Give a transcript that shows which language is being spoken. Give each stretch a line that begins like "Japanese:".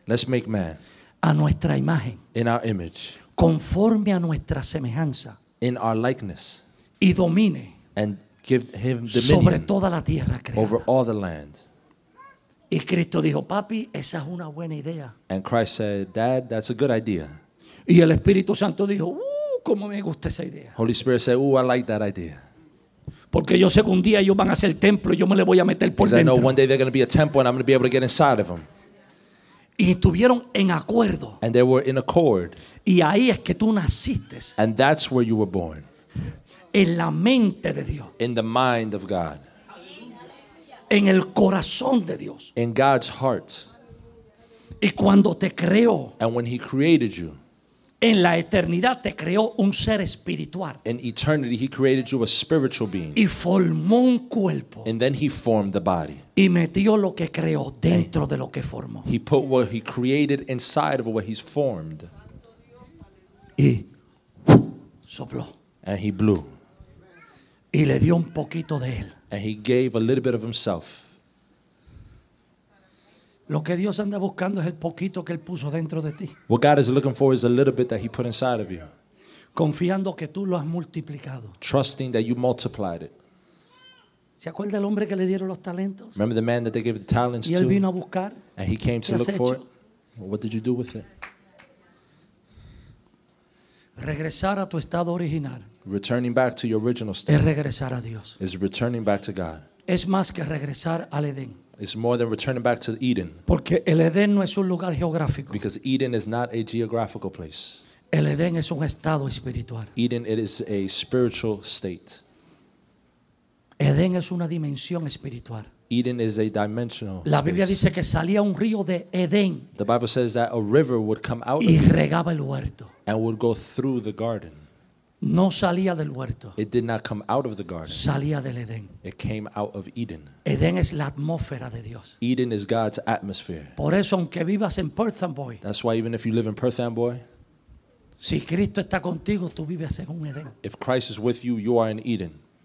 English: Let's make man.
Spanish: A nuestra imagen.
English: In our image.
Spanish: Conforme a nuestra semejanza.
English: In our likeness.
Spanish: Y domine.
English: And give him dominion.
Spanish: Sobre toda la tierra creada.
English: Over all the land.
Spanish: Y Cristo dijo, papi, esa es una buena idea.
English: And Christ said, Dad, that's a good idea.
Spanish: Y el Espíritu Santo dijo, cómo me gusta esa idea.
English: Holy Spirit said, I like that idea.
Spanish: Porque yo sé que un día ellos van a ser templo y yo me le voy a meter por dentro.
English: I know one day they're going to be a temple and I'm going to be able to get inside of them.
Spanish: Y estuvieron en acuerdo.
English: And they were in accord.
Spanish: Y ahí es que tú naciste.
English: And that's where you were born.
Spanish: En la mente de Dios.
English: In the mind of God.
Spanish: En el corazón de Dios.
English: In God's heart.
Spanish: Y cuando te creó.
English: And when he created you.
Spanish: En la eternidad te creó un ser espiritual.
English: In eternity he created you a spiritual being.
Spanish: Y formó un cuerpo.
English: And then he formed the body.
Spanish: Y metió lo que creó dentro de lo que formó.
English: He put what he created inside of what he's formed.
Spanish: Y sopló.
English: And he blew.
Spanish: Y le dio un poquito de él.
English: And he gave a little bit of himself.
Spanish: Lo que Dios anda buscando es el poquito que él puso dentro de ti.
English: What God is looking for is a little bit that he put inside of you.
Spanish: confiando que tú lo has multiplicado.
English: Trusting that you multiplied it.
Spanish: ¿Se acuerda el hombre que le dieron los talentos?
English: Remember the man that they gave the talents to?
Spanish: Y él vino a buscar.
English: And he came to look for it. What did you do with it?
Spanish: Regresar a tu estado original.
English: Returning back to your original state.
Spanish: Es regresar a Dios.
English: Is returning back to God.
Spanish: Es más que regresar al Edén.
English: It's more than returning back to Eden.
Spanish: Porque el Edén no es un lugar geográfico.
English: Because Eden is not a geographical place.
Spanish: El Edén es un estado espiritual.
English: Eden, it is a spiritual state.
Spanish: Edén es una dimensión espiritual.
English: Eden is a dimensional space.
Spanish: La Biblia dice que salía un río de Edén.
English: The Bible says that a river would come out
Spanish: y regaba el huerto.
English: And would go through the garden.
Spanish: No salía del huerto.
English: It did not come out of the garden.
Spanish: Salía del Edén.
English: It came out of Eden.
Spanish: Edén es la atmósfera de Dios.
English: Eden is God's atmosphere.
Spanish: Por eso, aunque vivas en Perth Amboy,
English: that's why even if you live in Perth Amboy,
Spanish: si Cristo está contigo, tú vives en un Edén.
English: If Christ is with you, you are in Eden.